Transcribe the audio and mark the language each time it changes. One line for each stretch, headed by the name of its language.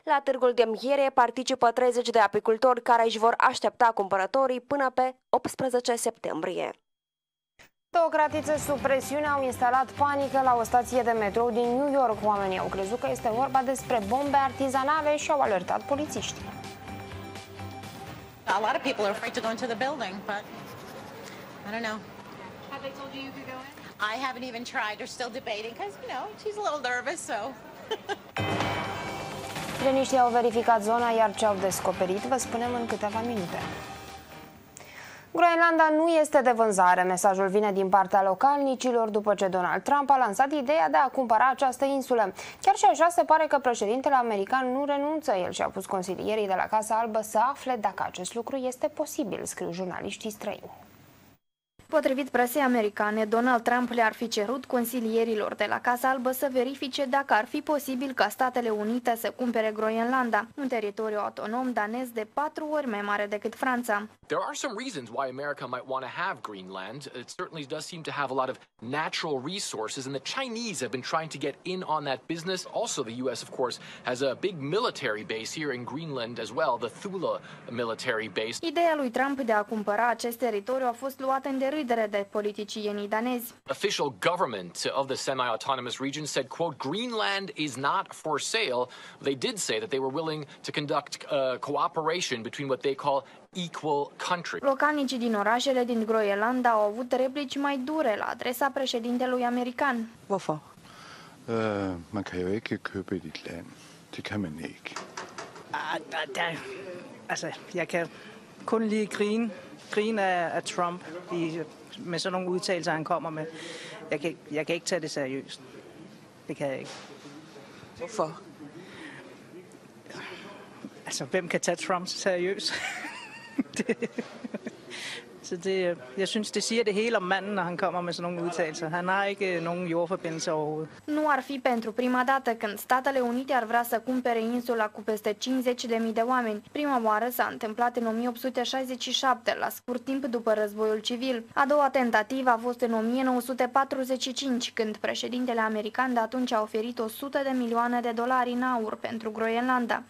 Romanian: La târgul de miere participă 30 de apicultori care își vor aștepta cumpărătorii până pe 18 septembrie. Două cratițe sub presiune au instalat panică la o stație de metrou din New York. Oamenii au crezut că este vorba despre bombe artizanale și au alertat polițiștii.
English: A lot of people are afraid to go into the building, but I don't know. Have they told you you could go in? I haven't even tried. They're still debating because, you know, she's a little nervous, so...
Romanian: Treniștii au verificat zona, iar ce au descoperit vă spunem în câteva minute. Groenlanda nu este de vânzare. Mesajul vine din partea localnicilor după ce Donald Trump a lansat ideea de a cumpăra această insulă. Chiar și așa se pare că președintele american nu renunță. El și-a pus consilierii de la Casa Albă să afle dacă acest lucru este posibil, scriu jurnaliștii străini. Potrivit presei americane, Donald Trump le-ar fi cerut consilierilor de la Casa Albă să verifice dacă ar fi posibil ca Statele Unite să cumpere Groenlanda, un teritoriu autonom danez de 4 ori mai mare decât Franța.
English: There are some reasons why America might want to have Greenland. It certainly does seem to have a lot of natural resources, and the Chinese have been trying to get in on that business. Also, the US, of course, has a big military base here in Greenland as well, the Thule military base.
Romanian: Ideea lui Trump de a cumpăra acest teritoriu a fost luată în deridere de politicienii danezi.
English: Official government of the semi-autonomous region said, quote, Greenland is not for sale. They did say that they were willing to conduct cooperation between what they call equal country.
Romanian: Localnicii din orașele din Groenlanda au avut replici mai dure la adresa președintelui american.
Danish: Hvorfor? Man kan jo ikke købe dit land. Det kan man ikke. Jeg kan kun lige grine. Grine af Trump med sådan nogle udtalelser, han kommer med. Jeg kan ikke tage det seriøst. Det kan jeg ikke. Hvorfor? Altså, hvem kan tage Trump seriøst? Så det, jeg synes, det siger det hele om manden, når han kommer med sådan nogle udtalelser. Han har ikke nogen jordforbindelse overhovedet.
Romanian: Nu ar fi pentru prima dată când Statele Unite ar vrea să cumpere insula cu peste 50.000 de oameni. Prima oară s-a întâmplat în 1867, la scurt timp după războiul civil. A doua tentativă a fost în 1945, când președintele american de atunci a oferit 100 de milioane de dolari în aur pentru Groenlanda.